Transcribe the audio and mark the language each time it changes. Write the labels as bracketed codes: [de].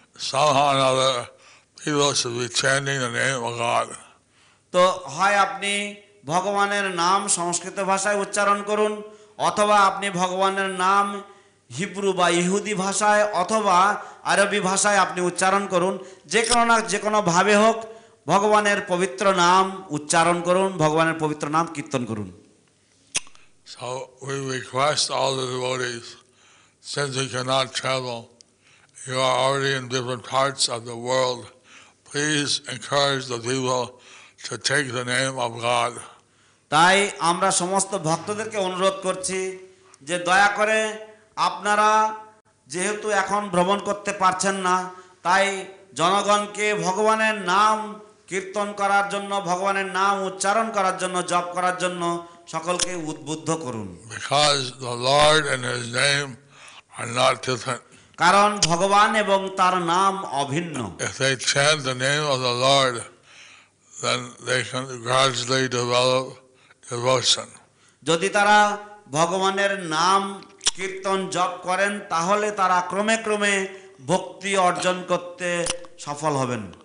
[en] Somehow or another, people should be chanting the name of God. [bn] তো হয় আপনি ভগবানের নাম সংস্কৃত ভাষায় উচ্চারণ করুন অথবা আপনি ভগবানের নাম হিব্রু বা ইহুদি ভাষায় অথবা আরবি ভাষায় আপনি উচ্চারণ করুন, যে কোনো না যে কোনো ভাবে হোক ভগবানের পবিত্র নাম উচ্চারণ করুন, ভগবানের পবিত্র নাম কীর্তন করুন। [en] So we request all the devotees, since we cannot travel, you are already in different parts of the world, please encourage the people to take the name of God. [bn] তাই আমরা সমস্ত ভক্তদেরকে অনুরোধ করছি যে দয়া করে আপনারা যেহেতু এখন ভ্রমণ করতে পারছেন না তাই জনগণকে ভগবানের নাম কীর্তন করার জন্য ভগবানের নাম উচ্চারণ করার জন্য জপ করার জন্য সকলকে উদ্বুদ্ধ করুন। [en] Because the Lord and His name are not different. [bn] কারণ ভগবান এবং তার নাম অভিন্ন। [en] If they chant the name of the Lord, then they can gradually develop devotion. [bn] যদি তারা ভগবানের নাম কীর্তন জপ করেন তাহলে তারা ক্রমে ক্রমে ভক্তি অর্জন করতে সফল হবেন।